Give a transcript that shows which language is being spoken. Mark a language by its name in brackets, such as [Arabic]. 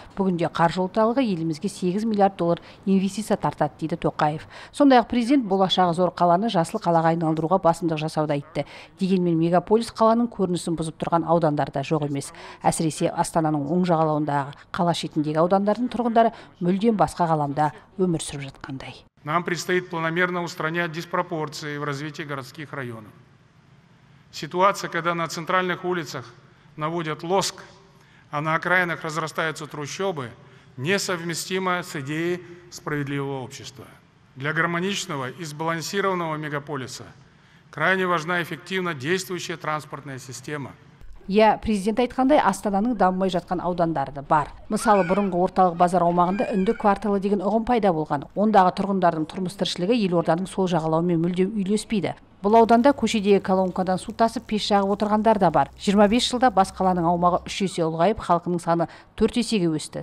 [Kazakh] Бүгінде қаржы орталығы елімізге 8 миллиард доллар инвестиция тартады, дейді Тоқаев. Сондай-ақ президент болашағы зор қаланы жасыл қалаға айналдыруға басымдық жасауды айтты. Дегенмен мегаполис қаланың көрінісін бұзып тұрған аудандар да жоқ емес. Әсіресе Астананың оң жағалауындағы қала шетіндегі аудандардың тұрғындары мүлдем басқа ғаламда өмір сүріп жатқандай. [Russian] Нам предстоит планомерно устранять диспропорции в развитии городских районов. Ситуация, когда на центральных улицах наводят лоск, а на окраинах разрастаются трущобы, несовместима с идеей справедливого общества. Для гармоничного и сбалансированного мегаполиса крайне важна эффективно действующая транспортная система. [Kazakh] Я президент айтқандай, Астананың дамымай жатқан аудандарды бар. Мысалы, бұрынғы орталық базар аумағында үнді кварталы деген ұғым пайда болған. Ондағы тұрғындардың тұрмыс тіршілігі Елорданың сол жағалауымен мүлдем үйлеспейді. Бұл ауданда көшедегі колонкадан су тасып, пеш жағып отырғандар да бар. 25 жылда бас қаланың аумағы 3 есе ұлғайып, халқының саны 4 есеге өсті.